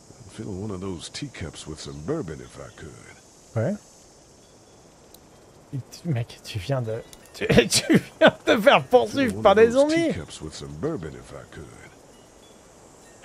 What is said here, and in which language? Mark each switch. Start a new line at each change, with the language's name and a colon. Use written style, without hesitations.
English: Fill one of those teacups with some bourbon if I could.
French: Ouais. Mec, tu viens de... Tu viens de faire poursuivre par des zombies.
English: Fill one of those teacups with some bourbon if I could.